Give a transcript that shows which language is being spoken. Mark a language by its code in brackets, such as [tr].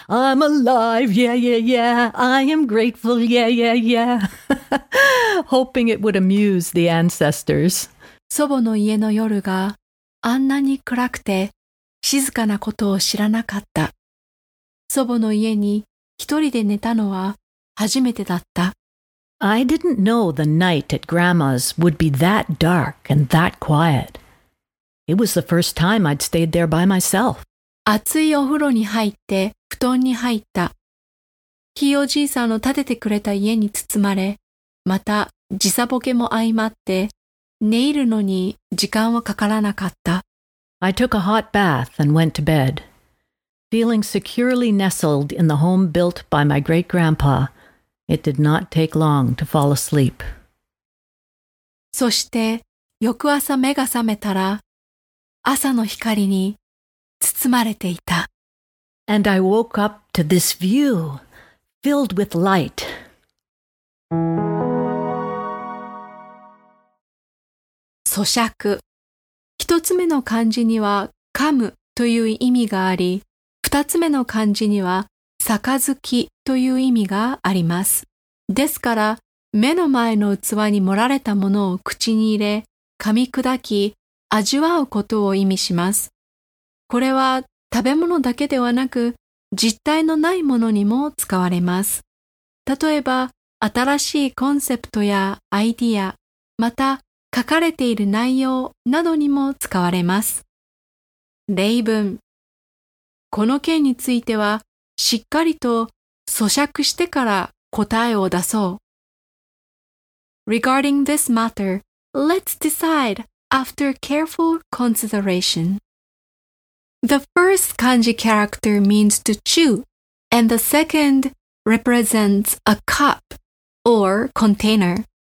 [en] I'm alive, yeah, yeah, yeah. I am grateful, yeah, yeah, yeah. Hoping it would amuse the ancestors. [ja] 祖母の家の夜があんなに暗くて静かなことを知らなかった。祖母の家に一人で寝たのは初めてだった。 [en] I didn't know the night at Grandma's would be that dark and that quiet. It was the first time I'd stayed there by myself. [ja] 熱いお風呂に入って布団に入った。ひいおじいさんの建ててくれた家に包まれ、また時差ボケも相まって、寝入るのに時間はかからなかった。 [en] I took a hot bath and went to bed, feeling securely nestled in the home built by my great-grandpa. It did not take long to fall asleep. [ja] そして翌朝目が覚めたら朝の光に包まれていた。 [en] And I woke up to this view, filled with light. [ja] そしゃく。一つ目の漢字には噛むという意味があり、二つ目の漢字には杯という意味があります。ですから、目の前の器に盛られたものを口に入れ、噛み砕き、味わうことを意味します。これは食べ物だけではなく、実体のないものにも使われます。例えば、新しいコンセプトやアイディア、また書かれている内容などにも使われます。例文。この件については、しっかりと咀嚼してから、答えを出そう。 [en] Regarding this matter, let's decide after careful consideration. The first kanji character means to chew, and the second represents a cup or container.